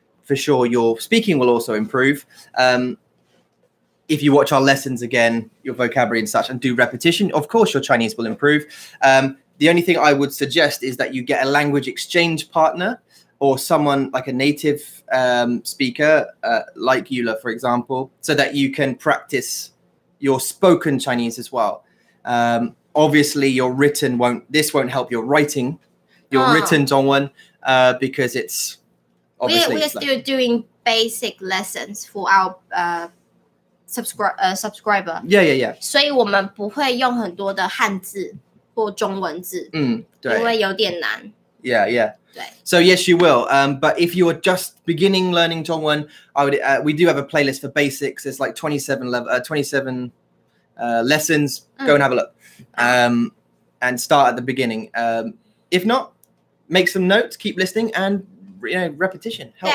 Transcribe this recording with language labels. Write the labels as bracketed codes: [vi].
[en] for sure your speaking will also improve if you watch our lessons again your vocabulary and such and do repetition of course your Chinese will improve the only thing I would suggest is that you get a language exchange partner or someone like a native speaker like Yula for example so that you can practice your spoken Chinese as well. Obviously, your written won't, this won't help your writing, your written Zhongwen, because it's obviously... We're still like, doing basic lessons for our subscriber. Yeah, yeah, yeah. [zh] 所以我们不会用很多的汉字或中文字。嗯，对。因为有点难。 [en] Yeah, yeah. [zh] 对。 [en] So yes, you will. But if you are just beginning learning Zhongwen, I would, we do have a playlist for basics. It's like 27 lessons. Go and have a look. And start at the beginning. If not, make some notes, keep listening, and you know, repetition helps.